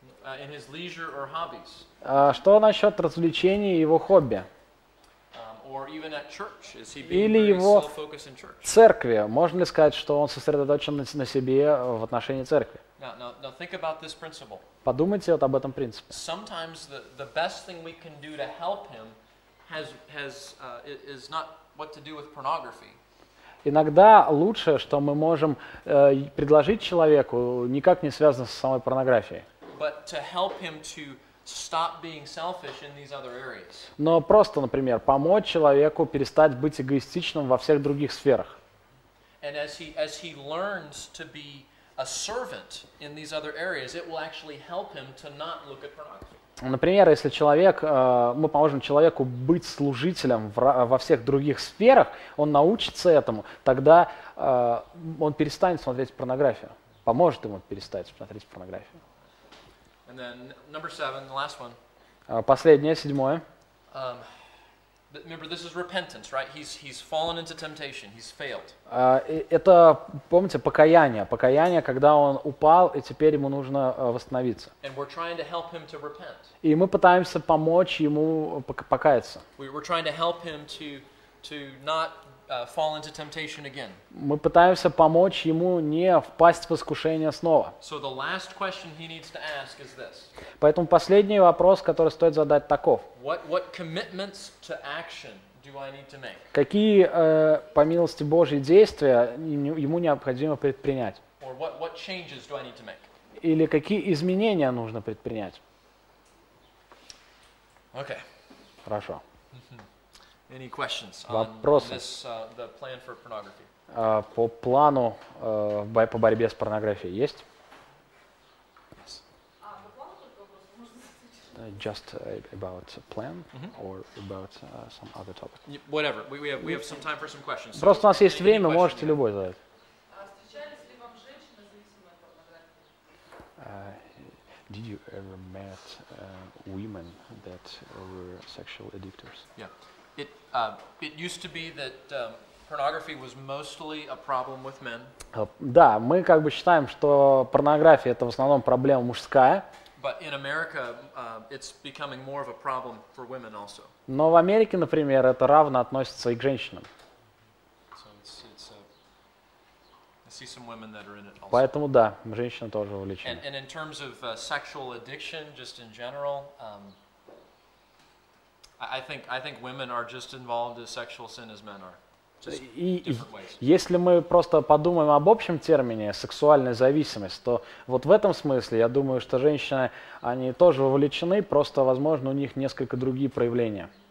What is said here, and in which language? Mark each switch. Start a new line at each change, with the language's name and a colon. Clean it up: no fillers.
English: In his leisure or hobbies?
Russian: Что насчет развлечений и его хобби?
English: Or even at church? Is he
Russian: Или его
English: in church?
Russian: Церкви? Можно ли сказать, что он сосредоточен на себе в отношении церкви?
English: Now think about this principle.
Russian: Подумайте вот об этом принципе.
English: Sometimes the best thing we can do to help him is not what to do with pornography.
Russian: Иногда лучшее, что мы можем предложить человеку, никак не связано с самой порнографией.
English: But to help him to stop being selfish in these other areas.
Russian: Но просто, например, помочь человеку перестать быть эгоистичным во всех других сферах.
English: And as he learns to be a servant in these other areas, it will actually help him to not look at pornography.
Russian: Например, если человек, мы поможем человеку быть служителем во всех других сферах, он научится этому, тогда он перестанет смотреть порнографию. Поможет ему перестать смотреть порнографию.
English: And then, number seven, the last one.
Russian: Последнее, седьмое.
English: Remember, this is repentance, right? He's fallen into temptation. He's failed.
Russian: Это, помните, покаяние. Покаяние, когда он упал, и теперь ему нужно восстановиться.
English: And we're trying to help him to repent.
Russian: И мы пытаемся помочь ему покаяться.
English: We're trying to help him to not fall into temptation again.
Russian: Мы пытаемся помочь ему не впасть в искушение снова.
English: So the last question he needs to ask is this.
Russian: Поэтому последний вопрос, который стоит задать, таков.
English: What commitments to action do I need to make?
Russian: Какие по милости Божьей действия ему необходимо предпринять?
English: Or what changes do I need to make?
Russian: Или какие изменения нужно предпринять?
English: Okay.
Russian: Хорошо.
English: Any questions Вопросы? On this, the plan for pornography?
Russian: По плану по борьбе с порнографией есть?
English: Just about a plan or about some other topic. Whatever. We have some time for some questions. So
Russian: просто у нас есть время, можете любой задать. Встречались ли вам женщины, зависимые от порнографии?
English: Did you ever met women that were sexual addictors? Yeah. It used to be that pornography was mostly a problem with men.
Russian: Да, мы как бы считаем, что порнография это в основном проблема мужская.
English: But in America, it's becoming more of a problem for women also.
Russian: Но в Америке, например, это равно относится и к женщинам.
English: So it's I see some women that are in it also.
Russian: Поэтому да, женщины тоже увлечены.
English: And in terms of sexual addiction, just in general, I think women are just involved in sexual sin as men are.
Russian: И если мы просто подумаем об общем термине сексуальная зависимость, то вот в этом смысле я думаю, что женщины, они тоже вовлечены, просто, возможно, у них несколько другие проявления.